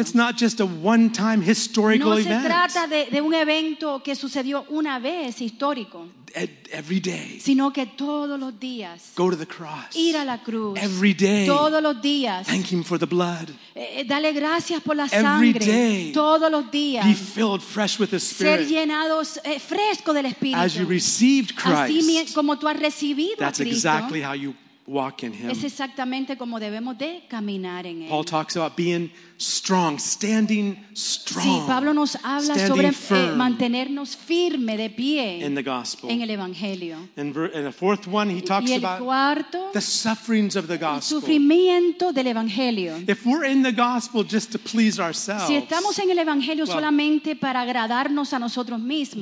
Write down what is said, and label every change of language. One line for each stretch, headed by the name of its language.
English: It's not just a one-time historical event.
Spanish: No se trata de un evento que sucedió una vez histórico.
English: Every day,
Spanish: sino que todos los días,
English: go to the cross.
Spanish: Ir a la cruz.
English: Every day,
Spanish: todos los días,
English: thank him for the blood.
Spanish: Dale gracias por la
English: Every
Spanish: sangre.
English: Day,
Spanish: todos los días,
English: be filled fresh with the Spirit.
Spanish: Ser llenados fresco del Espíritu.
English: As you received Christ,
Spanish: así como tú has recibido
English: that's
Spanish: a Cristo,
English: exactly how you walk in him.
Spanish: Es exactamente como debemos de caminar en él.
English: Paul talks about being strong, standing strong.
Spanish: Sí, Pablo nos habla sobre mantenernos firme de pie
English: in the gospel.
Spanish: En el evangelio.
English: And the fourth one he talks about the sufferings of the gospel.
Spanish: El sufrimiento del evangelio.
English: If we're in the gospel just to please ourselves.
Spanish: Si estamos en el evangelio well, solamente para agradarnos a nosotros mismos.